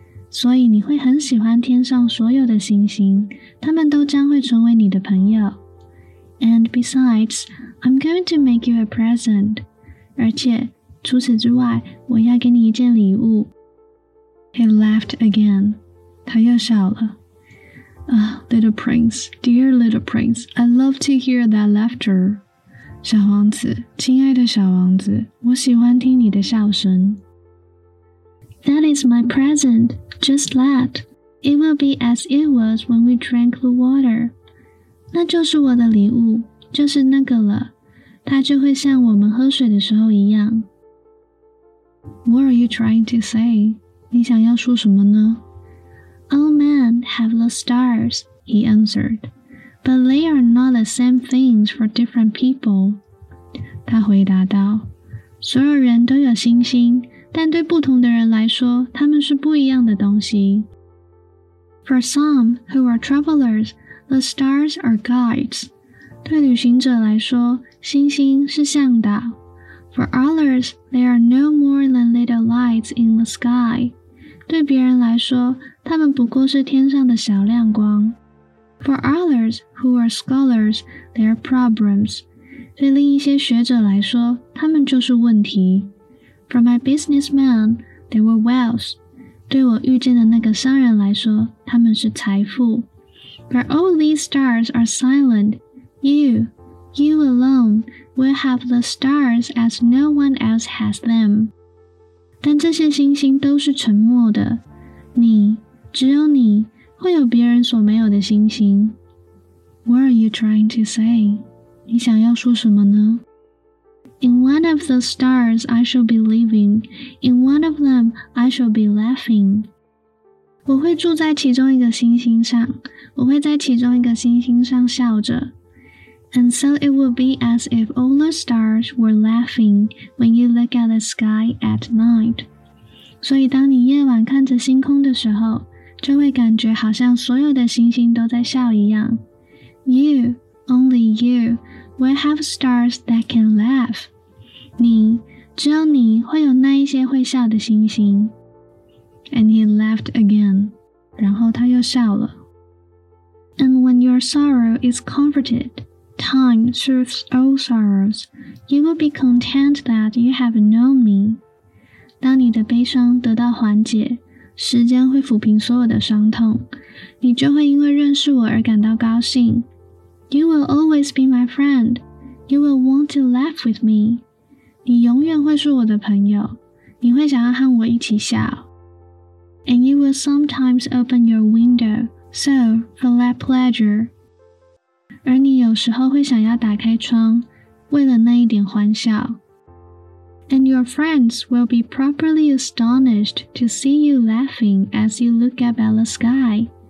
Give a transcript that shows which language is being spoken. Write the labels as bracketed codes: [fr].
[zh] 所以你会很喜欢天上所有的星星，他们都将会成为你的朋友。 [en] And besides, I'm going to make you a present. [zh] 而且，除此之外，我要给你一件礼物。 [en] He laughed again. [zh] 他又笑了。 [en] Little prince, dear little prince, I love to hear that laughter. [zh] 小王子，亲爱的小王子，我喜欢听你的笑声。 [en] That is my present, just that. It will be as it was when we drank the water. [zh] 那就是我的礼物，就是那个了。它就会像我们喝水的时候一样。 [en] What are you trying to say? [zh] 你想要说什么呢？ [en] All men have the stars, he answered, but they are not the same things for different people. [zh] 他回答道，所有人都有星星，但对不同的人来说，他们是不一样的东西。 [en] For some who are travelers, the stars are guides. [zh] 对旅行者来说，星星是向导。 [en] For others, they are no more than little lights in the sky. [zh] 对别人来说，他们不过是天上的小亮光。 [en] For others who are scholars, they are problems. [zh] 对另一些学者来说，他们就是问题。 [en] For my businessmen, they were wealth. [zh] 对我遇见的那个商人来说，他们是财富。 [en] But all these stars are silent. You alone will have the stars as no one else has them. [zh] 但这些星星都是沉默的，你，只有你，会有别人所没有的星星。 [en] What are you trying to say? [zh] 你想要说什么呢？ [en] In one of the stars I shall be living, in one of them I shall be laughing. [zh] 我会住在其中一个星星上，我会在其中一个星星上笑着。 [en] And so it will be as if all the stars were laughing when you look at the sky at night. [zh] 所以当你夜晚看着星空的时候，就会感觉好像所有的星星都在笑一样。 [en] You, only you, will have stars that can laugh. [zh] 你，只有你会有那一些会笑的星星。 [en] And he laughed again. [zh] 然后他又笑了。 [en] And when your sorrow is comforted,Time soothes all sorrows. You will be content that you have known me. [zh] 当你的悲伤得到缓解，时间会抚平所有的伤痛，你就会因为认识我而感到高兴。 [en] You will always be my friend. You will want to laugh with me. [zh] 你永远会是我的朋友，你会想要和我一起笑。 [en] And you will sometimes open your window, so for that pleasure. [zh] 而你有时候会想要打开窗，为了那一点欢笑。 [en] And your friends will be properly astonished to see you laughing as you look up at the sky.